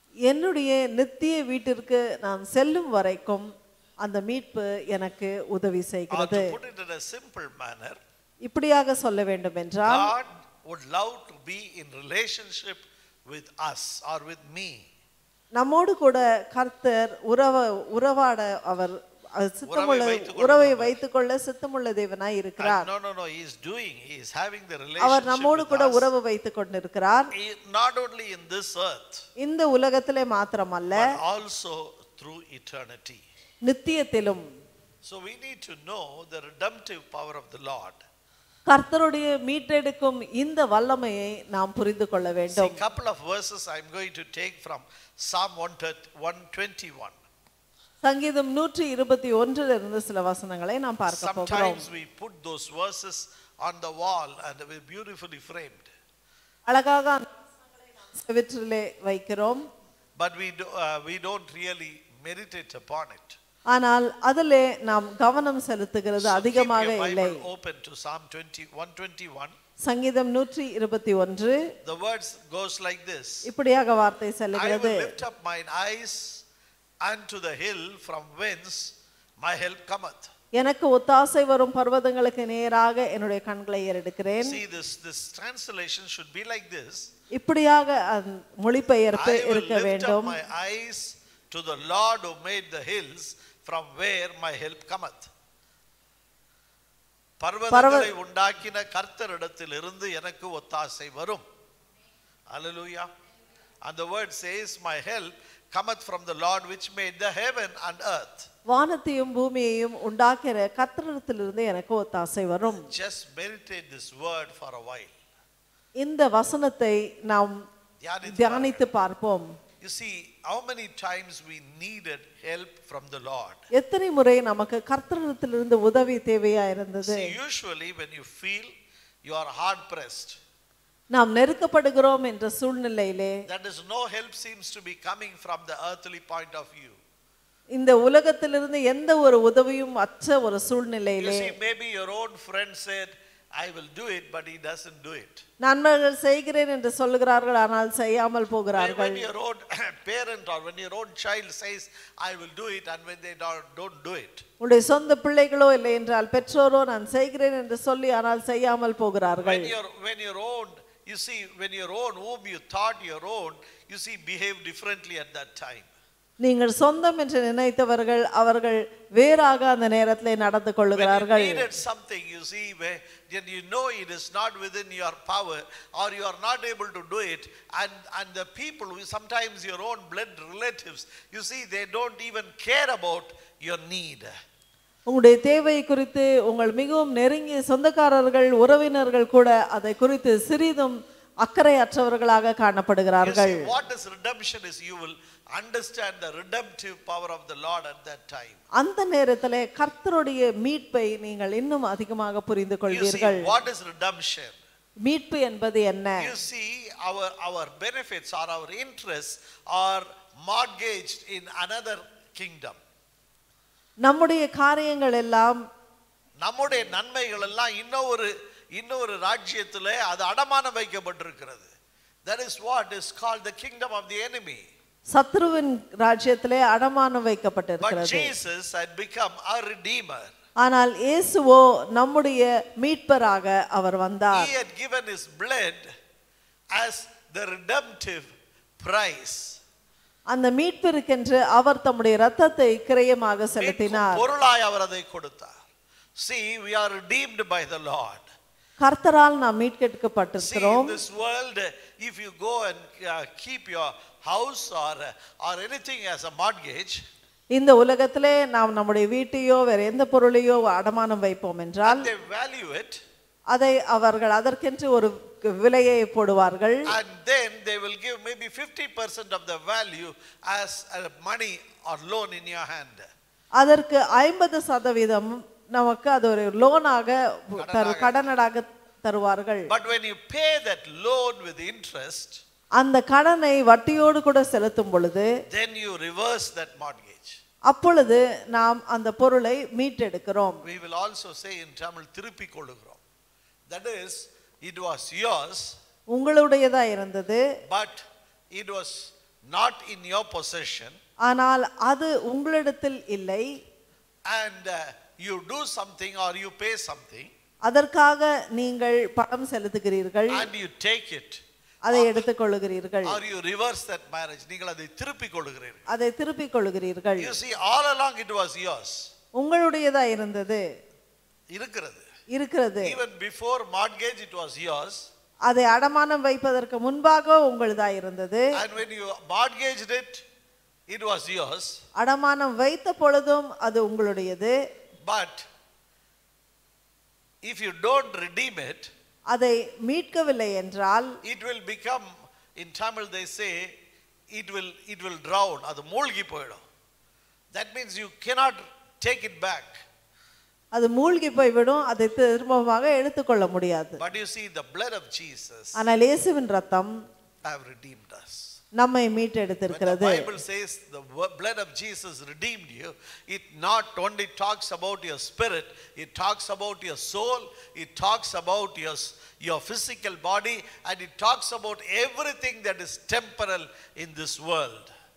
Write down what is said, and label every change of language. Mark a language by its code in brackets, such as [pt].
[ta] என்னுடைய நித்திய வீட்டிற்கு நான் செல்லும் வரைக்கும் அந்த மீட்பு எனக்கு உதவி செய்கிறது. [en] To put it in a simple manner, [ta] இப்படியாக சொல்ல வேண்டும் என்றால் [en] God would love to be in relationship with us or with me. [ta] நம்மோடு கூட கர்த்தர் உறவாட அவர் சித்தமுள்ள உறவை வைத்துக் கொள்ள சித்தமுள்ள தேவனாய் இருக்கிறார். [en] No, he is doing, he is having the relationship. [ta] அவர் நம்மோடு கூட உறவு வைத்துக் கொண்டிருக்கிறார். [en] Not only in this earth. [ta] இந்த உலகத்திலே மாத்திரமல்ல. [en] But also through eternity. [ta] நித்தியத்திலும். [en] So we need to know the redemptive power of the Lord. [ta] கர்த்தருடைய மீட்டெடுக்கும் இந்த வல்லமையை நாம் புரிந்து கொள்ள வேண்டும். [en] See, couple of verses I am going to take from Psalm 121. [ta] சங்கீதம் 121 இருந்து சில வசனங்களை நாம் பார்க்க போகிறோம். [en] Sometimes we put those verses on the wall and they were beautifully framed. [ta] அழகாக அந்த வசனங்களை நாம் செவிற்றிலே வைக்கிறோம். [en] But we don't really meditate upon it. [ta] ஆனால் அதிலே நாம் கவனம் செலுத்துகிறது அதிகமாக இல்லை. [en] So keep your Bible open to Psalm 121. [ta] சங்கீதம் 121. [en] The words goes like this. [ta] இப்படியாக வார்த்தை செல்கிறது. [en] I will lift up my eyes and to the hill from whence my help cometh. [ta] எனக்கு ஒத்தாசை வரும் பர்வதங்களுக்கு நேராக என்னுடைய கண்களை ஏறெடுக்கிறேன். [en] See, this translation should be like this. [ta] இப்படியாக மொழிபெயர்ப்பு இருக்க வேண்டும். [en] I will lift up my eyes to the Lord who made the hills from where my help cometh. [ta] பர்வதங்களை உண்டாக்கின கர்த்தரிடத்திலிருந்து எனக்கு ஒத்தாசை வரும். [en] Hallelujah. And the word says my help cometh from the Lord which made the heaven and earth. [ta] வானத்தையும் பூமியையும் உண்டாக்கிற கர்த்தரிடத்திலிருந்து எனக்கு ஒத்தாசை வரும். [en] Just meditate this word for a while. [ta] இந்த வசனத்தை நாம் தியானித்து பார்ப்போம். [en] You see how many times we needed help from the Lord. [ta] எத்தனை முறை நமக்கு கர்த்தரிடத்திலிருந்து உதவி தேவையா இருந்தது. [en] See, usually when you feel you are hard pressed, [ta] நாம் நெருக்கப்படுகிறோம் என்ற சூழ்நிலையிலே, [en] that is no help seems to be coming from the earthly point of view. [ta] இந்த உலகத்திலிருந்து எந்த ஒரு உதவியும் அற்ற ஒரு சூழ்நிலையிலே, [en] you see, maybe your own friend said I will do it but he doesn't do it. [ta] நண்பர்கள் செய்கிறேன் என்று சொல்கிறார்கள் ஆனால் செய்யாமல் போகிறார்கள். [en] When your own parent or when your own child says I will do it and when they don't do it. [ta] உங்கள் சொந்த பிள்ளைகளோ இல்லை என்றால் பெற்றோரோ நான் செய்கிறேன் என்று சொல்லி ஆனால் செய்யாமல் போகிறார்கள். [en] When your own whom you thought your own, you see, behave differently at that time. [ta] நீங்கள் சொந்தம் என்று நினைத்தவர்கள் அவர்கள் வேறாக அந்த நேரத்திலே நடந்து கொள்கிறார்கள். [en] When you needed something, you see, when you know it is not within your power or you are not able to do it, and the people who sometimes your own blood relatives, you see, they don't even care about your need. [ta] உங்களுடைய தேவை குறித்து உங்கள் மிகவும் நெருங்கிய சொந்தக்காரர்கள் உறவினர்கள் கூட அதை குறித்து சிறிதும் அக்கறையற்றவர்களாக காணப்படுகிறார்கள். [en] What is redemption is you will understand the redemptive power of the Lord at that time. [ta] அந்த நேரத்திலே கர்த்தருடைய மீட்பை நீங்கள் இன்னும் அதிகமாக புரிந்து கொள்வீர்கள். [en] What is redemption? [ta] மீட்பு என்பது என்ன? [en] You see, our benefits or our interests are mortgaged in another kingdom. [ta] நம்முடைய காரியங்கள் எல்லாம் நம்முடைய நன்மைகள் எல்லாம் இன்னொரு ராஜ்யத்திலே அது அடமானம் வைக்கப்பட்டிருக்கிறது. [en] That is what is called the kingdom of the enemy. [ta] சத்ருவின் ராஜ்யத்திலே அடமானம் வைக்கப்பட்டிருக்கிறது. [en] But Jesus had become our redeemer. [ta] ஆனால் இயேசுவோ நம்முடைய மீட்பராக அவர் வந்தார். [en] He had given his blood as the redemptive price. [ta] அந்த மீட்பிற்கென்று அவர் தம்முடைய இரத்தத்தை கிரயமாக செலுத்தினார். பொருளாய் அவர் அதை கொடுத்தார். [en] See, we are redeemed by the Lord. [ta] கர்த்தரால் நாம் மீட்கப்பட்டிருக்கிறோம். [en] See, in this world, if you go and keep your house or anything as a mortgage, [ta] இந்த உலகத்திலே நாம் நம்முடைய வீட்டையோ வேற எந்த பொருளையோ அடமானம் வைப்போம் என்றால், [en] they value it. [ta] அதை அவர்கள் அதற்கென்று ஒரு விலையை போடுவார்கள். [en] And then they will give maybe 50% of the value as a money or loan in your hand. [ta] அதற்கு 50% நமக்கு அது ஒரு லோனாக கடனாக தருவார்கள். [en] But when you pay that loan with interest, [ta] அந்த கடனை வட்டியோடு கூட செலுத்தும் பொழுது, [en] then you reverse that mortgage. [ta] அப்பொழுது நாம் அந்த பொருளை மீட்டெடுக்கிறோம். [en] We will also say in Tamil [ta] திருப்பி கொள்கிறோம். [en] That is, it was yours, [ta] உங்களுடையதா இருந்தது, [en] but it was not in your possession, [ta] ஆனால் அது உங்களிடத்தில் இல்லை. [en] And you do something or you pay something, [ta] அதற்காக நீங்கள் பணம் செலுத்துகிறீர்கள், [en] and you take it, [ta] அதை எடுத்துக் கொள்கிறீர்கள், [en] or you reverse that marriage, [ta] நீங்கள் அதை திருப்பி கொள்கிறீர்கள், அதை திருப்பி கொள்கிறீர்கள். [en] You see, all along it was yours, [ta] உங்களுடையதா இருந்தது, இருக்கிறது. [en] Even before mortgage it was yours, [ta] அதை அடமானம் வைப்பதற்கு முன்பாக உங்களதா இருந்தது. [en] And when you mortgaged it, it was yours, [ta] அடமானம் வைத்த பொழுதும் அது உங்களுடையது. [en] But if you don't redeem it, [ta] அதை மீட்கவில்லை என்றால், [en] it will become, in Tamil they say, it will drown, [ta] அது மூழ்கி போய்டும். [en] That means you cannot take it back, [ta] அது மூழ்கி போய்விடும், அதை திரும்பமாக எடுத்துக்கொள்ள முடியாது. [en] But you see, the blood of Jesus, [ta] ஆனால் இயேசுவின் ரத்தம் [en] have redeemed us, [ta] நம்மை மீட்டெடுத்திருக்கிறது. [en] The Bible says the blood of Jesus redeemed you. It not only talks about your spirit, it talks about your soul, it talks about your physical body, and it talks about everything that is temporal in this world.